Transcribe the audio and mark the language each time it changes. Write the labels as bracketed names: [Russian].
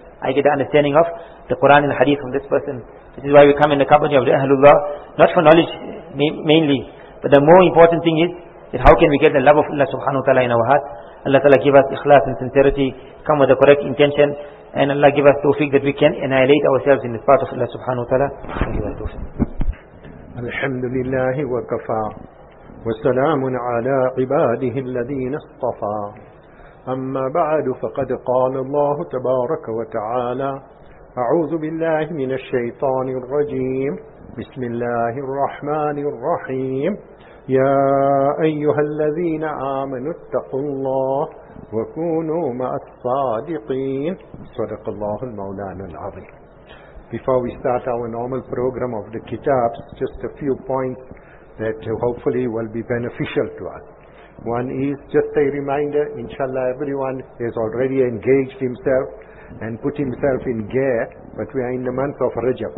[English] I get the understanding of the Quran and the hadith from this person. This is why we come in the company of the Ahlullah, not for knowledge mainly. But the more important thing is, that how can we get the love of Allah subhanahu wa ta'ala in our heart? Allah ta'ala give us ikhlas and sincerity, come with the correct intention, and Allah give us tawfiq that we can annihilate ourselves in the path of Allah subhanahu wa ta'ala. [Arabic] Alhamdulillahi wa kafa'a. وسلام على عباده الذين اصطفى أما بعد فقد قال الله تبارك وتعالى أعوذ بالله من الشيطان الرجيم بسم الله الرحمن الرحيم يا أيها الذين آمنوا اتقوا الله وكونوا مع الصادقين صدق الله المولانا العظيم. [English] Before we start our normal program of the kitabs, just a few points that hopefully will be beneficial to us. One is just a reminder, inshallah everyone has already engaged himself and put himself in gear, but we are in the month of Rajab.